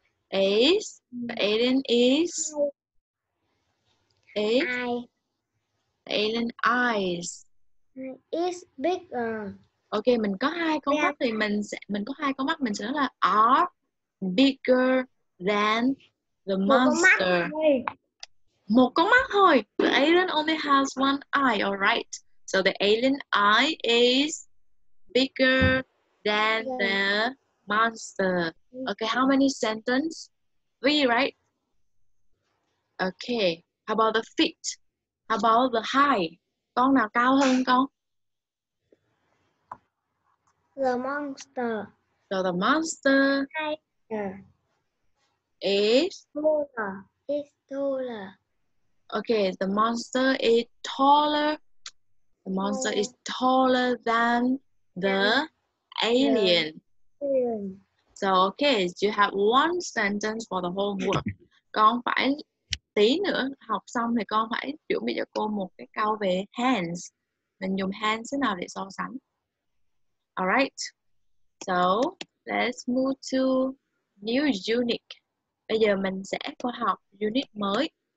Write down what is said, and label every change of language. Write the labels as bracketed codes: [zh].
[en] Is. The alien is. Is. Alien eyes is bigger. [vi] Okay, mình có hai con mắt thì mình có hai con mắt mình sẽ nói là [en] are bigger than the monster. [vi] Một con mắt thôi. [en] The alien only has one eye. All right. So the alien eye is bigger than the monster. Okay, how many sentence? 3, right? Okay. How about the feet? How about the height? [vi] Con nào cao hơn con? [en] The monster. So the monster height is taller. It's taller. Okay, the monster is taller. The monster is taller than the alien. So, okay, you have one sentence for the homework. [vi] Con phải tí nữa học xong thì con phải chuẩn bị cho cô một cái câu về hands. Mình dùng hands thế nào để so sánh. [en] All right. So, let's move to new unit. [vi] Bây giờ mình sẽ qua học unit mới.